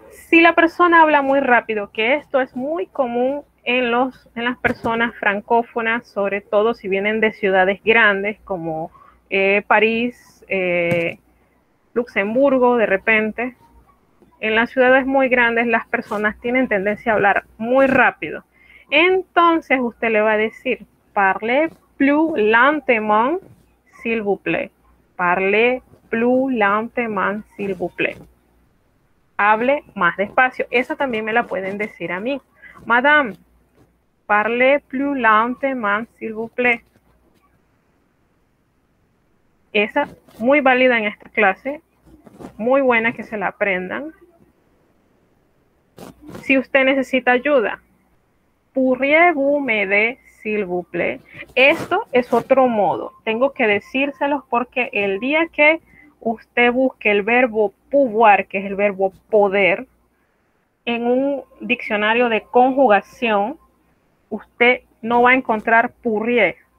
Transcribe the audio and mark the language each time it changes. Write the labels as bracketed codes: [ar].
[es] Si la persona habla muy rápido, que esto es muy común en las personas francófonas, sobre todo si vienen de ciudades grandes como París, Luxemburgo, de repente. En las ciudades muy grandes las personas tienen tendencia a hablar muy rápido. Entonces usted le va a decir, [fr] parlez plus lentement, s'il vous plaît. Parlez plus lentement, s'il vous plaît. [es] Hable más despacio. Esa también me la pueden decir a mí. [fr] Madame, parlez plus lentement, s'il vous plaît. [es] Esa muy válida en esta clase. Muy buena que se la aprendan. Si usted necesita ayuda, [fr] pourriez-vous m'aider, s'il vous plaît. [es] Esto es otro modo. Tengo que decírselos porque el día que usted busque el verbo pouvoir, que es el verbo poder, en un diccionario de conjugación, usted no va a encontrar pourriez.